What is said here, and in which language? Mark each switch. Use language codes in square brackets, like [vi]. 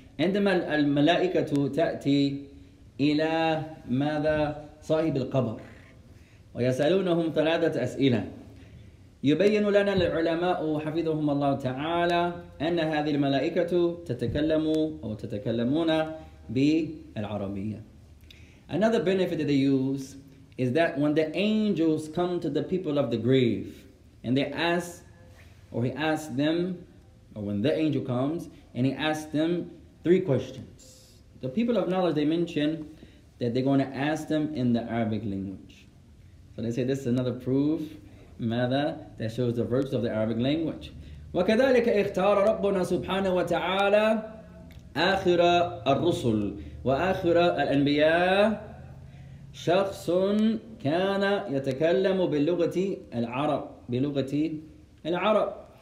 [ar] عندما الملائكة تأتي إلى ماذا صاحب القبر ويسألونهم ثلاثة أسئلة. يبين لنا العلماء حفظهم الله تعالى أن هذه الملائكة تتكلم أو تتكلمون بالعربية. [en] Another benefit that they use is that when the angels come to the people of the grave and they ask, or he asks them, or when the angel comes and he asks them three questions, the people of knowledge, they mention that they're going to ask them in the Arabic language. So they say this is another proof ماذا that shows the virtues of the Arabic language. [ar] وكذلك اختار ربنا سبحانه وتعالى آخر الرسل وآخر الأنبياء شخص كان يتكلم باللغة العرب بلغة العرب.